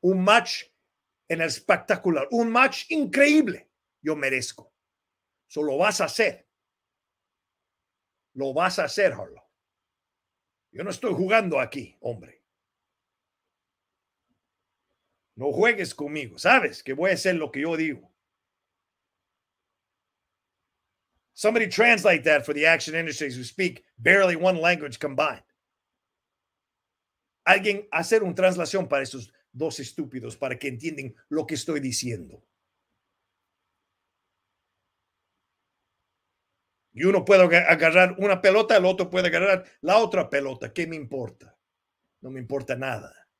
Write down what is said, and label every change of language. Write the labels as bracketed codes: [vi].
[es] Un match en el espectacular. Un match increíble. Yo merezco. So lo vas a hacer. Lo vas a hacer, Harlow. Yo no estoy jugando aquí, hombre. No juegues conmigo. Sabes que voy a hacer lo que yo digo. [en] Somebody translate that for the action industries who speak barely one language combined. [es] Alguien hacer un translación para esos dos estúpidos para que entiendan lo que estoy diciendo. Y uno puede agarrar una pelota, el otro puede agarrar la otra pelota. ¿Qué me importa? No me importa nada.